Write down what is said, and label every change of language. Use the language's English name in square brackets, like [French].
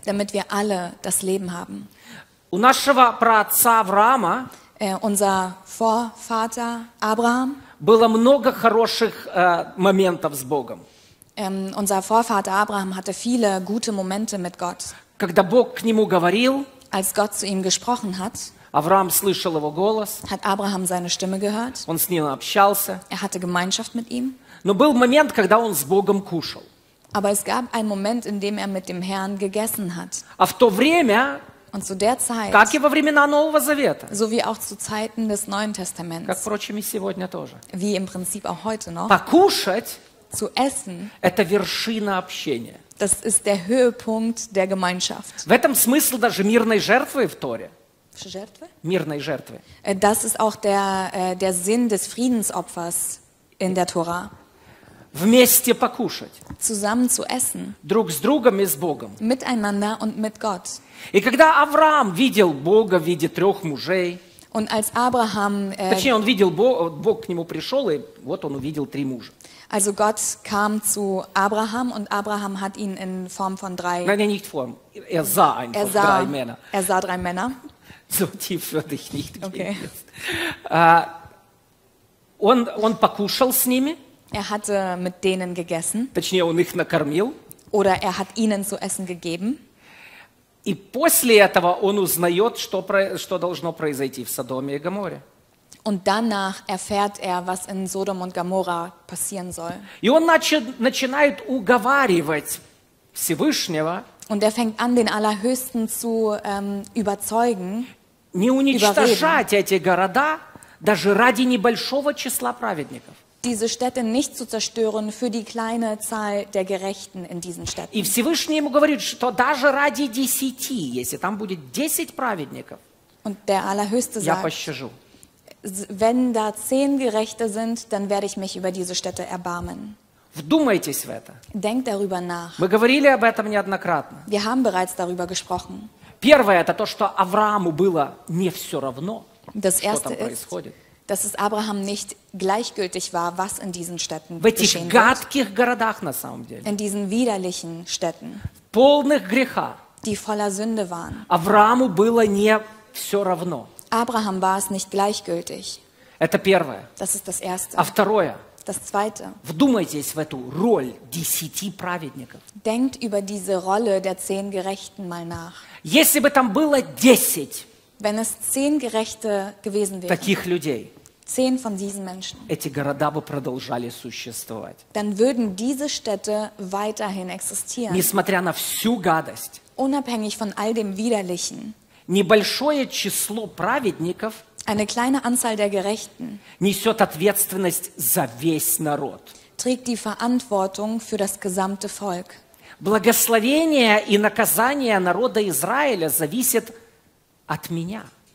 [German] Damit wir alle das Leben haben. [Russian] У нашего праотца Авраама, [German] unser Vorvater Abraham, [Russian] было много хороших моментов с Богом. [German] Unser Vorvater Abraham hatte viele gute Momente mit Gott. [Russian] Когда Бог к нему говорил, [German] als Gott zu ihm gesprochen hat, [Russian] Авраам слышал его голос, [German] hat Abraham seine Stimme gehört, [Russian] он с ним общался, [German] er hatte Gemeinschaft mit ihm. [Russian] Но был момент, когда он с Богом кушал. [German] Aber es gab einen Moment, in dem er mit dem Herrn gegessen hat. [Russian] А в то время, [German] Und zu der Zeit, [Russian] как и во времена Нового Завета, [German] so wie auch zu Zeiten des Neuen Testaments, [Russian] как, впрочем, и сегодня тоже, [German] wie im Prinzip auch heute noch, [Russian] покушать, [German] zu essen, [Russian] это вершина общения. [German] Das ist der Höhepunkt der Gemeinschaft. [Russian] В этом смысл даже мирной жертвы в Торе. Жертвы? Мирной жертвы. [German] Das ist auch der Sinn des Friedensopfers in der Tora. [Russian] Вместе покушать. [German] Zusammen zu essen. [Russian] Друг с другом и с Богом. [German] Miteinander und mit Gott. [Russian] И когда Авраам видел Бога в виде трех мужей, [German] und als Abraham, [Russian] точнее, он видел Бога, Бог к нему пришел, и вот он увидел три мужа. [German] Also Gott kam zu Abraham und Abraham hat ihn in Form von drei... Nein, nicht Form. Er sah einfach drei Männer. Er sah drei Männer. So tief würde ich nicht gehen. Okay. [Russian] Он покушал с ними. [German] Er hatte mit denen gegessen. [Russian] Точнее, он их накормил. [German] Oder er hat ihnen zu essen gegeben. [Russian] И после этого он узнает, что должно произойти в Содоме и Гоморре. [German] Und danach erfährt er, was in Sodom und Gomorra passieren soll. [Russian] Начинает уговаривать Всевышнего. [German] Und er fängt an, den Allerhöchsten zu überzeugen. [Russian] Не уничтожать эти города даже ради небольшого числа праведников. [German] Diese Städte nicht zu zerstören für die kleine Zahl der Gerechten in diesen Städten. [Russian] И Всевышний ему говорит, что даже ради десяти, если там будет 10 праведников. [German] Und der Allerhöchste sagt. [Russian] Я пощажу. [German] Wenn da 10 Gerechte sind, dann werde ich mich über diese Städte erbarmen. [Russian] Вдумайтесь в это. [German] Denkt darüber nach. [Russian] Мы говорили об этом неоднократно. [German] Wir haben bereits darüber gesprochen. [Russian] Первое – это то, что Аврааму было не все равно, [German] das erste [Russian] что там [German] ist, [Russian] происходит. [German] Dass es Abraham nicht gleichgültig war, was in diesen Städten [Russian] в этих гадких городах на самом деле. [German] In diesen widerlichen Städten. [Russian] В полных греха. [German] Die voller Sünde waren. [Russian] Аврааму было не все равно. [German] Abraham war es nicht gleichgültig. [Russian] Это первое. [German] Das ist das Erste. [Russian] А второе. [German] Das Zweite. [Russian] Вдумайтесь в эту роль десяти праведников. [German] Denkt über diese Rolle der 10 Gerechten mal nach. [Russian] Если бы там было 10, [German] wenn es 10 Gerechte gewesen wären, [Russian] таких людей, [German] 10 von diesen Menschen, [Russian] эти города бы продолжали существовать. [German] Dann würden diese Städte weiterhin existieren. [Russian] Несмотря на всю гадость. [German] Unabhängig von all dem Widerlichen. [Russian] Небольшое число праведников [German] eine kleine Anzahl der Gerechten [Russian] несет ответственность за весь народ. [German] Trägt die Verantwortung für das gesamte Volk. [Russian] Благословение и наказание народа Израиля зависит от меня.